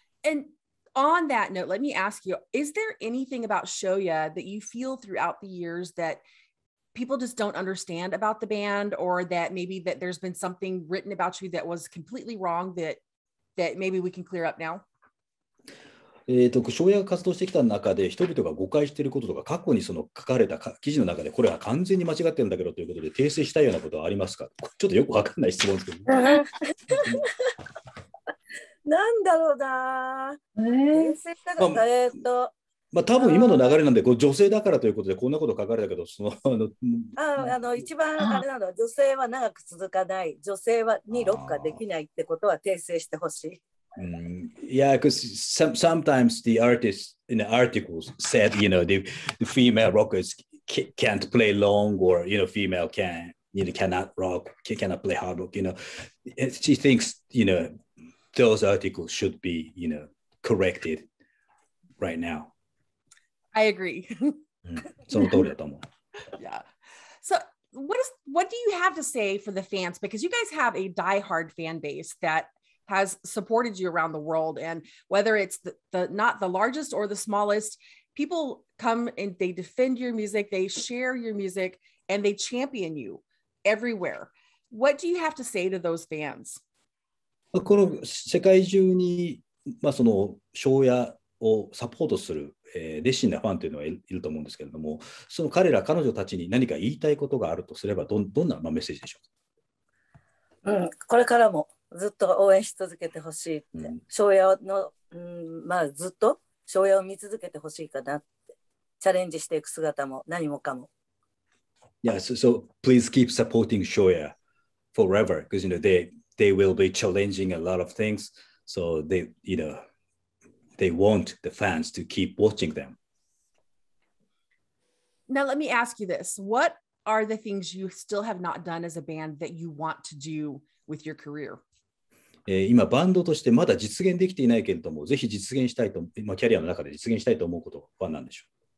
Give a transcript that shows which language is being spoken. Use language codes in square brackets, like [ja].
[en] And on that note, let me ask you, is there anything about Shoya that you feel throughout the years that people just don't understand about the band, or that maybe that there's been something written about you that was completely wrong that maybe we can clear up now? [ja] Shoya が活動してきた中で人々が誤解していることとか、過去にその書かれた記事の中でこれは完全に間違ってるんだけどということで訂正したいようなことはありますか？ちょっとよくわかんない質問ですけど。なんだろうな、多分今の流れなんで、こう女性だからということでこんなこと書かれたけど、そのあの一番あれなのは、女性は長く続かない、女性はにロックができないってことは訂正してほしい。 [en] Yeah, because sometimes the artists in the articles said, you know, the female rockers can't play long, or you know, female cannot rock, cannot play hard rock. You know, she thinks, you know. Those articles should be, you know, corrected right now. I agree. [ja] その通りだと思う。 [en] Yeah. So what do you have to say for the fans? Because you guys have a diehard fan base that has supported you around the world. And whether it's the not the largest or the smallest, people come and they defend your music, they share your music, and they champion you everywhere. What do you have to say to those fans? [ja] この世界中に、まあ、その庄屋をサポートする、熱心なファンというのはいると思うんですけれども、その彼ら彼女たちに何か言いたいことがあるとすれば、どんなメッセージでしょう。これからもずっと応援し続けてほしいって、庄屋の、ずっと庄屋を見続けてほしいかなって、チャレンジしていく姿も何もかも。 [en] Yeah, so please keep supporting Shoya forever, because you know they will be challenging a lot of things. So they want the fans to keep watching them. Now, let me ask you this. What are the things you still have not done as a band that you want to do with your career? [ja] 今バンドとしてまだ実現できていないけれども、ぜひ実現したいと、まあ、キャリアの中で実現したいと思うことは何でしょう？